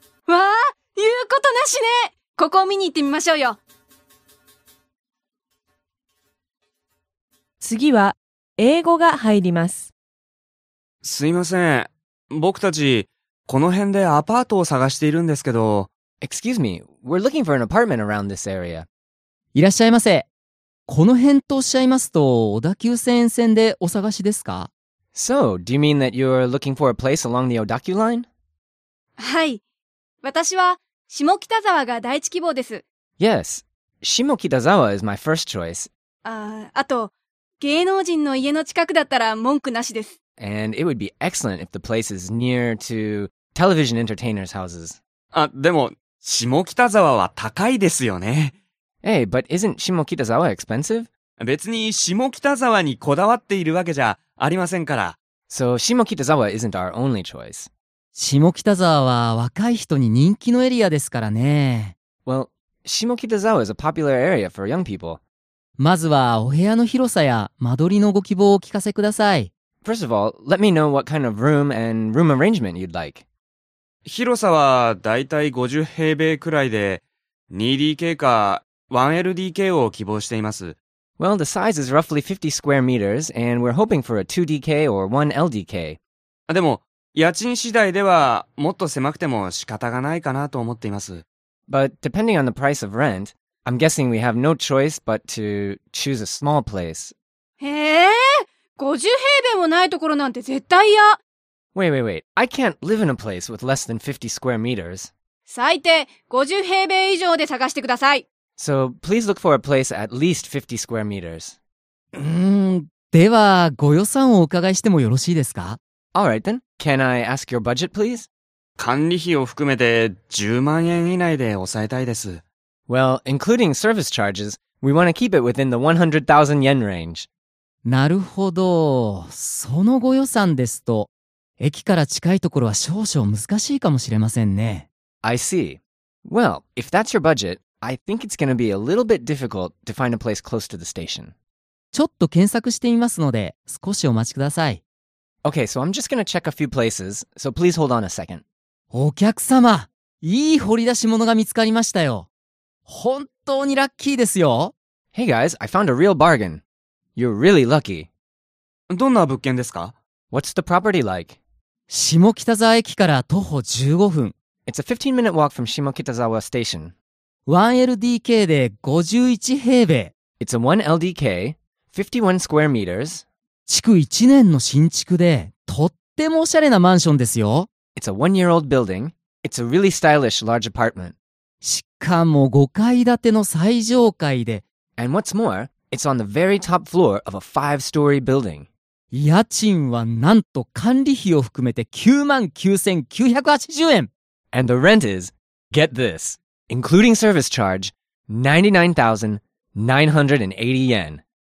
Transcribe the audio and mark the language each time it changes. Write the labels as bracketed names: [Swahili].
[Japanese] わあ、言うことなしね。ここを見に行ってみましょうよ。次は英語が入ります。すいません、僕たちこの辺でアパートを探しているんですけど。 [English] Excuse me, we're looking for an apartment around this area. [Japanese] いらっしゃいませ。この辺とおっしゃいますと、小田急線沿線でお探しですか？ [English] So, do you mean that you're looking for a place along the Odakyu line? [Japanese] はい。私は下北沢が第一希望です。 [English] Yes, 下北沢 is my first choice. [Japanese] あと、芸能人の家の近くだったら文句なしです。 [English] And it would be excellent if the place is near to television entertainers' houses. [Japanese] あ、でも下北沢は高いですよね。 [English] Hey, but isn't 下北沢 expensive? [Japanese] 別に下北沢にこだわっているわけじゃありませんから。 [English] So 下北沢 isn't our only choice. [Japanese] 下北沢は若い人に人気のエリアですからね。 [English] Well, 下北沢 is a popular area for young people. [Japanese] まずはお部屋の広さや間取りのご希望をお聞かせください。 [English] First of all, let me know what kind of room and room arrangement you'd like. [Japanese] 広さはだいたい50平米くらいで、2DK か 1LDK を希望しています。 [English] Well, the size is roughly 50 square meters, and we're hoping for a 2DK or 1LDK. [Japanese] でも、家賃次第ではもっと狭くても仕方がないかなと思っています。 [English] But depending on the price of rent, I'm guessing we have no choice but to choose a small place. [Japanese] Hey, 50 平米もないところなんて絶対嫌。 [English] Wait. I can't live in a place with less than 50 square meters. [Japanese] 最低50平米以上で探してください。 [English] So please look for a place at least 50 square meters. [Japanese] ではご予算をお伺いしてもよろしいですか? [English] All right then. Can I ask your budget, please? [Japanese] 管理費を含めて10万円以内で抑えたいです。 [English] Well, including service charges, we want to keep it within the 100,000 yen range. [Japanese] なるほど。そのご予算ですと、駅から近いところは少々難しいかもしれませんね。 [English] I see. Well, if that's your budget, I think it's going to be a little bit difficult to find a place close to the station. [Japanese] ちょっと検索してみますので、少しお待ちください。 [English] Okay, so I'm just going to check a few places, so please hold on a second. [Japanese] お客様、いい掘り出し物が見つかりましたよ。本当にラッキーですよ。 [English] Hey guys, I found a real bargain. You're really lucky. [Japanese] どんな物件ですか? [English] What's the property like? [Japanese] 下北沢駅から徒歩15分。 [English] It's a 15-minute walk from Shimokitazawa Station. [Japanese] 1LDK で51平米。 [English] It's a 1LDK, 51 square meters. [Japanese] 築1年の新築で、とってもおしゃれなマンションですよ。 [English] It's a one-year-old building. It's a really stylish large apartment. [Japanese] しかも5階建ての最上階で。 [English] And what's more, it's on the very top floor of a 5-story building. [Japanese] 家賃はなんと管理費を含めて99,980円。 [English] And the rent is, get this, including service charge, 99,980 yen.